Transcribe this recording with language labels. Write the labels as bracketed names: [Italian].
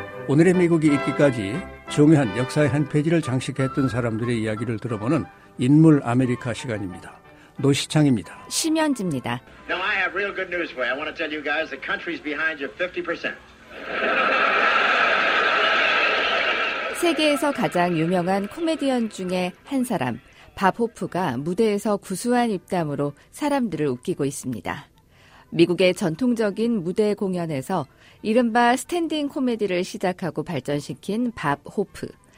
[Korean] 오늘의 미국이 있기까지 중요한 역사의 한 페이지를 장식했던 사람들의 이야기를 들어보는 인물 아메리카 시간입니다. 노시창입니다. 심현지입니다. [English] Now I have real good news for you. I want to tell you guys the country's behind you 50%. [Korean] 세계에서 가장 유명한 코미디언 중에 한 사람, 밥 호프가 무대에서 구수한 입담으로 사람들을 웃기고 있습니다. 미국의 전통적인 무대 공연에서 이른바 스탠딩 코미디를 시작하고 발전시킨 밥 호프.